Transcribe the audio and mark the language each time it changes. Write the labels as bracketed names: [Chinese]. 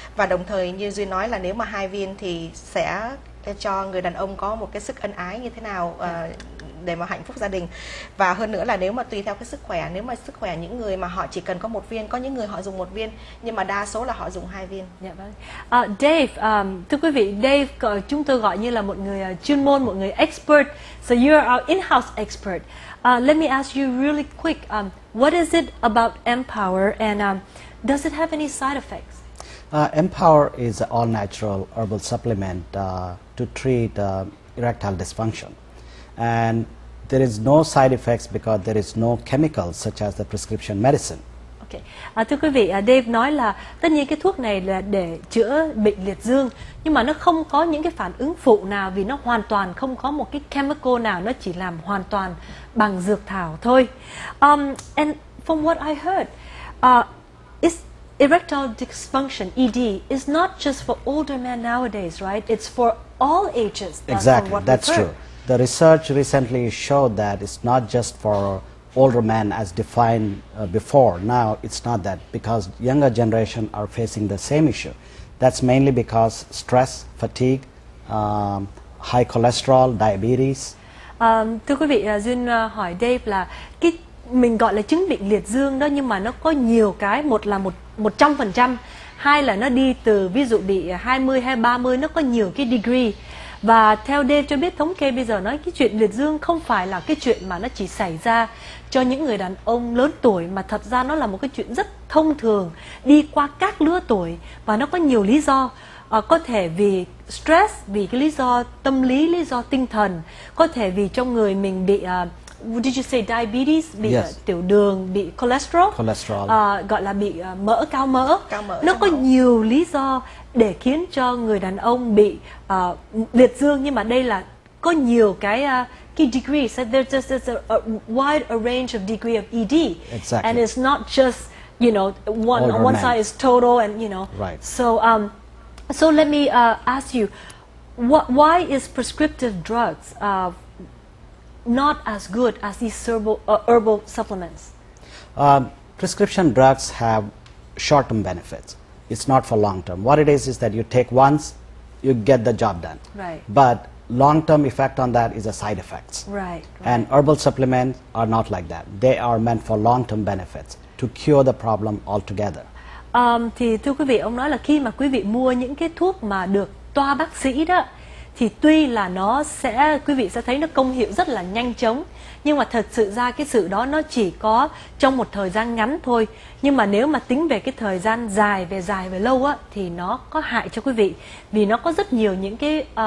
[Vietnamese] Và đồng thời như Duyên nói là nếu mà hai viên thì sẽ cho người đàn ông có một cái sức ân ái như thế nào để mà hạnh phúc gia đình. Và hơn nữa là nếu mà tùy theo cái sức khỏe, nếu mà sức khỏe những người mà họ chỉ cần có một viên, có những người họ dùng một viên nhưng mà đa số là họ dùng hai viên. Dave, thưa quý vị, Dave chúng tôi gọi như là một người chuyên môn, một người expert. [English] So you're our in-house expert. Let me ask you really quick, what is it about Empower and does it have any side effects? Empower is an all-natural herbal supplement to treat erectile dysfunction. And there is no side effects because there is no chemicals such as the prescription medicine. Okay. [Vietnamese] Thưa quý vị, Dave nói là tất nhiên cái thuốc này là để chữa bệnh liệt dương, nhưng mà nó không có những cái phản ứng phụ nào vì nó hoàn toàn không có một cái chemical nào, nó chỉ làm hoàn toàn bằng dược thảo thôi. [English] And from what I heard, it's erectile dysfunction, ED, is not just for older men nowadays, right? It's for all ages. That's exactly, what that's true. The research recently showed that it's not just for older men as defined before. Now it's not that, because younger generation are facing the same issue. That's mainly because stress, fatigue, high cholesterol, diabetes. [Vietnamese] Thưa quý vị, Duyên hỏi Dave là cái mình gọi là chứng bệnh liệt dương đó, nhưng mà nó có nhiều cái, một là 100%, hai là nó đi từ ví dụ bị 20 hay 30, nó có nhiều cái degree. Và theo Dave cho biết, thống kê bây giờ nói cái chuyện liệt dương không phải là cái chuyện mà nó chỉ xảy ra cho những người đàn ông lớn tuổi, mà thật ra nó là một cái chuyện rất thông thường, đi qua các lứa tuổi và nó có nhiều lý do. Có thể vì stress, vì cái lý do tâm lý do tinh thần, có thể vì trong người mình bị [English] did you say diabetes, [Vietnamese] bị tiểu đường, bị cholesterol. Gọi là bị mỡ, cao mỡ. Nó có nhiều lý do để khiến cho người đàn ông bị liệt dương, nhưng mà đây là có nhiều cái degree. [English] So there's just a wide a range of degree of ED. Exactly. And it's not just, you know, one side is total and, you know. Right. So let me ask you, why is prescriptive drugs not as good as these herbal supplements? Prescription drugs have short-term benefits. It's not for long-term. What it is that you take once, you get the job done. Right. But long-term effect on that is a side effects. Right. And herbal supplements are not like that. They are meant for long-term benefits, to cure the problem altogether. [Vietnamese] Thì thưa quý vị, ông nói là khi mà quý vị mua những cái thuốc mà được toa bác sĩ đó, thì tuy là nó sẽ, quý vị sẽ thấy nó công hiệu rất là nhanh chóng, nhưng mà thật sự ra cái sự đó nó chỉ có trong một thời gian ngắn thôi. Nhưng mà nếu mà tính về cái thời gian dài về lâu á, thì nó có hại cho quý vị, vì nó có rất nhiều những cái